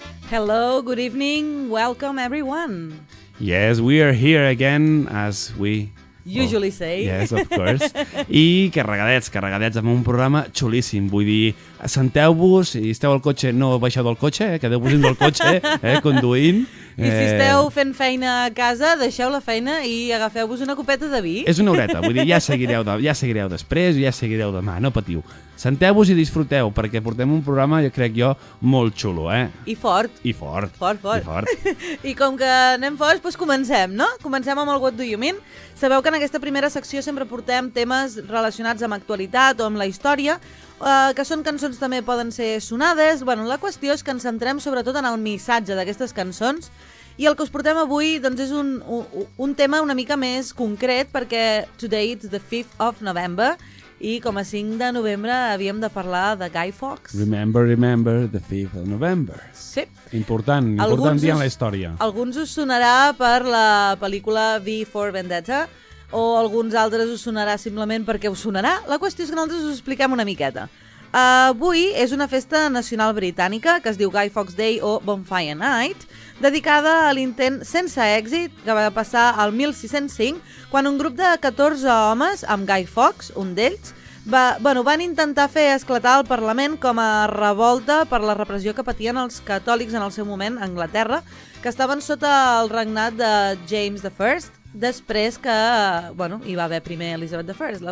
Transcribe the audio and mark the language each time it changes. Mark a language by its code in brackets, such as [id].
[en] Hello, good evening, welcome everyone. Yes, we are here again, as we usually say. Yes, of course. [ca] I carregadets amb un programa xulíssim. Vull dir, senteu-vos, si esteu al cotxe, no baixeu del cotxe, quedeu-vos dins del cotxe, conduint. I si esteu fent feina a casa, deixeu la feina i agafeu-vos una copeta de vi. És una horeta, vull dir, ja seguireu després, ja seguireu demà, no patiu. Senteu-vos i disfruteu, perquè portem un programa, crec jo, molt xulo, I fort. I fort. Fort, fort. I, fort. I com que anem forts, doncs comencem, no? Comencem amb el What Do You Mean? Sabeu que en aquesta primera secció sempre portem temes relacionats amb actualitat o amb la història, que són cançons també poden ser sonades. Bueno, la qüestió és que ens centrem sobretot en el missatge d'aquestes cançons i el que us portem avui doncs, és un tema una mica més concret perquè [en] today it's the 5th of November [ca] i com a 5 de novembre havíem de parlar de Guy Fawkes. [en] Remember the 5th of November. [ca] Sí. Important dia en la història. Alguns us sonarà per la pel·lícula V for Vendetta, o alguns altres us sonarà simplement perquè us sonarà. La qüestió és que nosaltres us expliquem una miqueta. Avui és una festa nacional britànica que es diu Guy Fawkes Day o Bonfire Night, dedicada a l'intent sense èxit que va passar al 1605 quan un grup de 14 homes, amb Guy Fawkes, un d'ells, van intentar fer esclatar el Parlament com a revolta per la repressió que patien els catòlics en el seu moment a Anglaterra, que estaven sota el regnat de James I, després que, bueno, hi va haver primer Elizabeth I.